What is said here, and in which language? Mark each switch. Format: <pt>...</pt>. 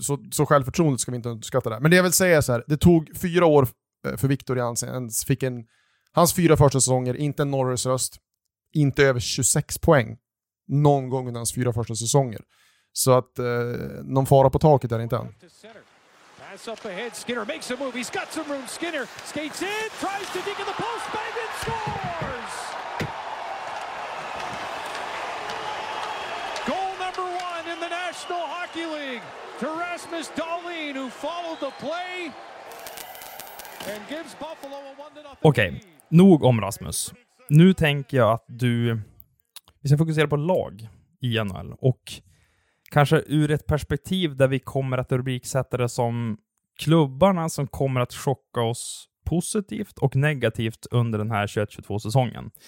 <sv>Så självförtroendet ska vi inte underskatta där. Men det jag vill säga är så här. Det tog 4 år för Victor Jansson. Fick hans 4 första säsonger, inte en Norris röst. Inte över 26 poäng. någon gång under hans fyra första säsonger. Så att någon fara på taket är inte än.</sv> <en>Pass up ahead, Skinner makes a move. He's got some room. Skinner skates in, tries to dig in the post, bang and scores! Goal number one in the National Hockey League to Rasmus Dahlin, who followed the play and gives Buffalo a 1-0 lead.</en> <sv>Okej, nog om Rasmus. Nu tänker jag att du... Vi ska fokusera på lag i NHL och kanske ur ett perspektiv där vi kommer att rubriksätta det som klubbarna som kommer att chocka oss positivt och negativt under den här 2021-2022-säsongen.</sv>